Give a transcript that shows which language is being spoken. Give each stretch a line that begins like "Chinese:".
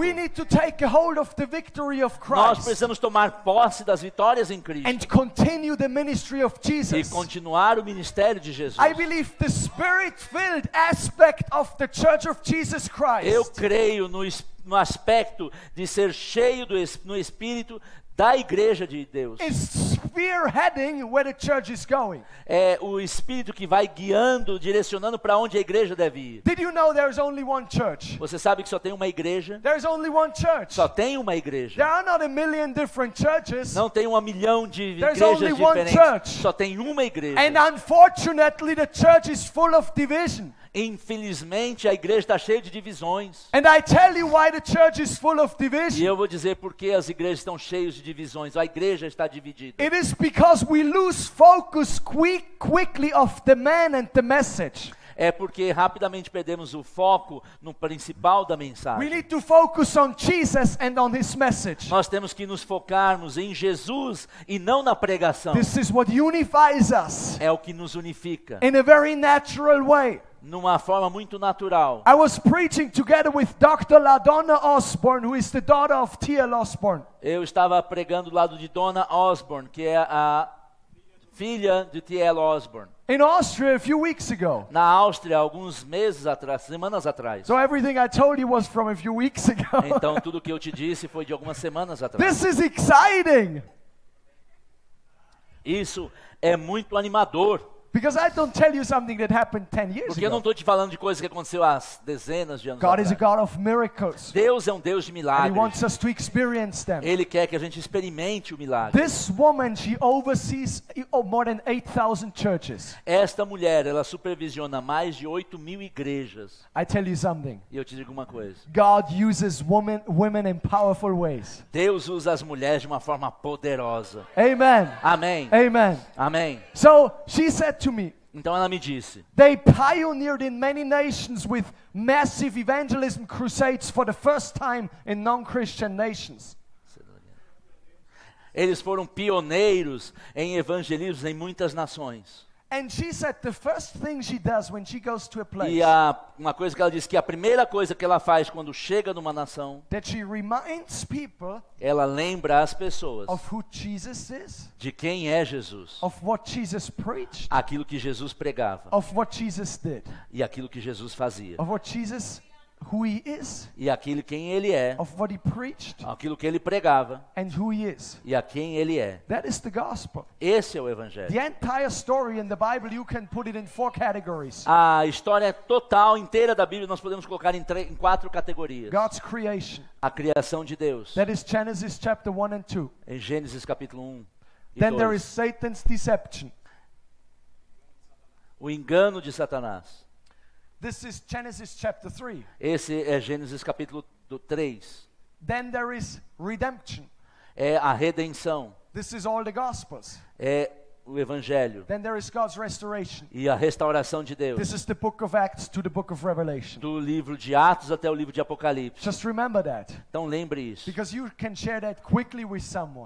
English: We need to take hold of the victory of Christ.
Portuguese: Nós precisamos tomar posse das vitórias em Cristo.
English: And continue the ministry of Jesus.
Portuguese: E continuar o ministério de Jesus.
English: I believe the spirit-filled aspect of the Church of Jesus Christ.
Portuguese: Eu creio no aspecto de ser cheio no Espírito da Igreja de Deus.
English: It's spearheading where the church is going.
Portuguese: É o Espírito que vai guiando, direcionando para onde a Igreja deve ir.
English: Did you know there's only one church?
Portuguese: Você sabe que só tem uma Igreja?
English: There's only one church.
Portuguese: Só tem uma Igreja.
English: There are not a million different churches.
Portuguese: Não tem um milhão de
English: there's
Portuguese: igrejas
English: only
Portuguese: diferentes.
English: One church.
Portuguese: Só tem uma Igreja.
English: And unfortunately, the church is full of division.
Portuguese: Infelizmente a Igreja está cheia de divisões.
English: And I tell you why the church is full of division.
Portuguese: E eu vou dizer porque as igrejas estão cheias de divisões. A Igreja está dividida.
English: It is because we lose focus quickly of the man and the message.
Portuguese: É porque rapidamente perdemos o foco no principal da mensagem.
English: We need to focus on Jesus and on His message.
Portuguese: Nós temos que nos focarmos em Jesus e não na pregação.
English: This is what unifies us.
Portuguese: É o que nos unifica.
English: In a very natural way.
Portuguese: Numa forma muito natural.
English: I was preaching together with Dr. LaDonna Osborne, who is the daughter of T.L. Osborne.
Portuguese: Eu estava pregando do lado de Donna Osborne, que é a filha de T.L. Osborne.
English: In Austria a few weeks ago.
Portuguese: Na Áustria alguns meses atrás, semanas atrás.
English: So everything I told you was from a few weeks ago.
Portuguese: Então tudo que eu te disse foi de algumas semanas atrás.
English: This is exciting.
Portuguese: Isso é muito animador.
English: Because I don't tell you something that happened 10 years ago.
Portuguese: Porque eu não estou te falando de coisas que aconteceu há dezenas de anos
English: God
Portuguese: atrás.
English: Is a God of miracles.
Portuguese: Deus é um Deus de milagres.
English: And he wants us to experience them.
Portuguese: Ele quer que a gente experimente o milagre.
English: This woman, she oversees more than 8,000 churches.
Portuguese: Esta mulher, ela supervisiona mais de 8,000 igrejas.
English: I tell you something.
Portuguese: E eu te digo uma coisa.
English: God uses women in powerful ways.
Portuguese: Deus usa as mulheres de uma forma poderosa.
English: Amen.
Portuguese: Amém.
English: Amen.
Portuguese: Amém.
English: So she said to me.
Portuguese: Então ela me disse.
English: They pioneered in many nations with massive evangelism crusades for the first time in non-Christian nations.
Portuguese: Eles foram pioneiros em evangelismo em muitas nações.
English: And she said the first thing she does when she goes to a place.
Portuguese: E uma coisa que ela disse que a primeira coisa que ela faz quando chega numa nação.
English: That she reminds people.
Portuguese: Ela lembra as pessoas.
English: Of who Jesus is.
Portuguese: De quem é Jesus.
English: Of what Jesus preached.
Portuguese: Aquilo que Jesus pregava.
English: Of what Jesus did.
Portuguese: E aquilo que Jesus fazia.
English: Of what Jesus, who he is.
Portuguese: E aquilo quem ele é.
English: Of what he preached.
Portuguese: Aquilo que ele pregava.
English: And who he is.
Portuguese: E a quem ele é.
English: That is the gospel.
Portuguese: Esse é o evangelho.
English: The entire story in the Bible you can put it in four categories.
Portuguese: A história total inteira da Bíblia nós podemos colocar em quatro categorias.
English: God's creation.
Portuguese: A criação de Deus.
English: That is Genesis chapter 1 and 2.
Portuguese: Em Gênesis capítulo 1 e 2.
English: Then there is Satan's deception.
Portuguese: O engano de Satanás.
English: This is Genesis chapter 3.
Portuguese: Esse é Gênesis capítulo 3.
English: Then there is redemption.
Portuguese: É a redenção.
English: This is all the gospels.
Portuguese: É o evangelho.
English: Then there is God's restoration.
Portuguese: E a restauração de Deus.
English: This is the book of Acts to the book of Revelation.
Portuguese: Do livro de Atos até o livro de Apocalipse.
English: Just remember that.
Portuguese: Então lembre isso.
English: Because you can share that quickly with someone.